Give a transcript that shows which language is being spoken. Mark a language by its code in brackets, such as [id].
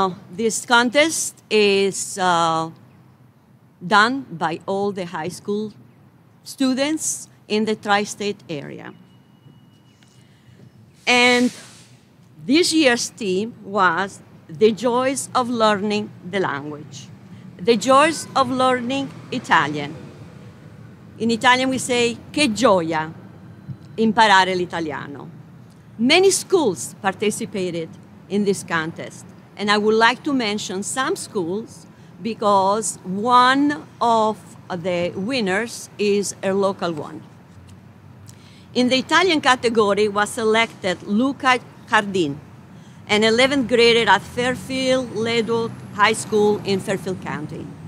[en] This contest is done by all the high school students in the tri-state area. And this year's theme was the joys of learning the language, the joys of learning Italian. In Italian we say, [it] che gioia, imparare l'italiano. [en] Many schools participated in this contest, and I would like to mention some schools because one of the winners is a local one. In the Italian category was selected Luca Cardin, an 11th grader at Fairfield Ledo High School in Fairfield County.